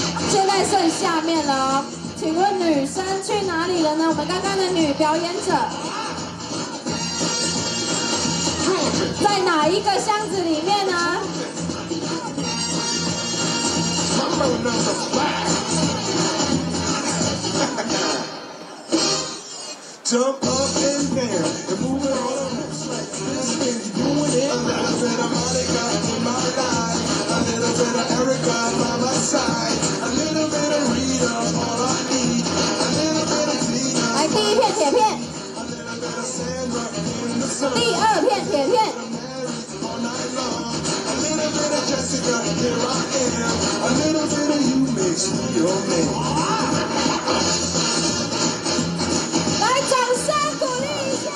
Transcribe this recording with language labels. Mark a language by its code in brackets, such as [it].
[zh] 现在剩下面了哦，请问女生去哪里了呢？我们刚刚的女表演者在哪一个箱子里面呢？ [en] Jump up in there and move it all around. A little bit of Monica in my life, a little bit of Erica by my side, a little bit of Rita, all I need, a little bit of Tina. [zh] 来第一片铁片，第二片铁片。来，掌声鼓励一下。